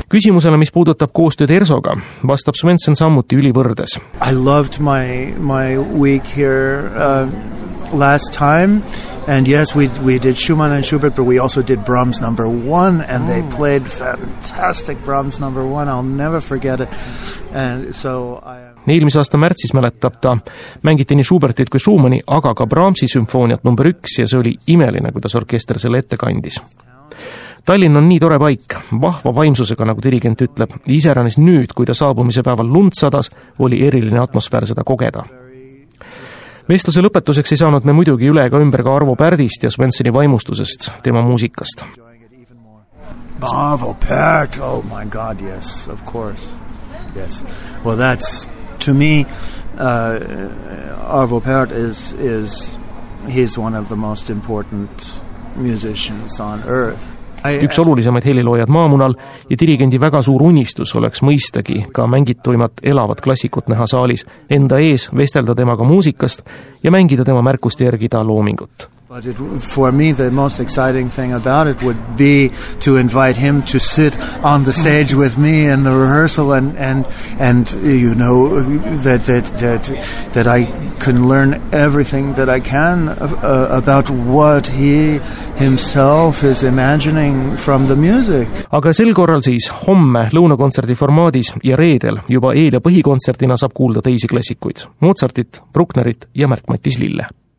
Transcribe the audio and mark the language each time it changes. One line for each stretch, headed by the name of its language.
Estonian: küsimusele, mis puudutab koostööd Ersoga, vastab Svensson samuti ülivõrdes.
English: I loved my week here last time. And yes, we did Schumann and Schubert, but we also did Brahms number 1, and they played fantastic Brahms number 1. I'll never forget it. And so
Estonian: eelmise aasta märtsis mäletab ta, mängiti nii Schubertit kui Schumanni, aga ka Brahmsi sümfooniat number 1 ja see oli imeline, kuidas orkester selle ette kandis. Tallinn on nii tore paik, vahva vaimsusega, nagu dirigent ütleb. Iseranis nüüd, kui ta saabumise päeval lund sadas, oli eriline atmosfäär seda kogeda. Vestluse lõpetuseks ei saanud me muidugi üle ka ümber ka Arvo Pärdist ja Svenssoni vaimustusest, tema muusikast.
English: Arvo Pärt, oh my god, yes, of course. Yes. Well, that's to me Arvo Pärt is he's one of the most important musicians on earth.
Estonian: Üks olulisemaid heliloojad maamunal ja dirigendi väga suur unistus oleks mõistagi ka mängituimat elavat klassikut näha saalis, enda ees vestelda temaga muusikast ja mängida tema märkuste järgi ta loomingut.
English: But it, for me the most exciting thing about it would be to invite him to sit on the stage with me in the rehearsal and you know that I can learn everything that I can about what he himself is imagining from the music.
Estonian: Aga sel korral siis homme lõunakontserti formaadis ja reedel juba eel- ja põhikontsertina saab kuulda teisi klassikuid. Mozartit, Brucknerit ja Märt-Mattis Lille.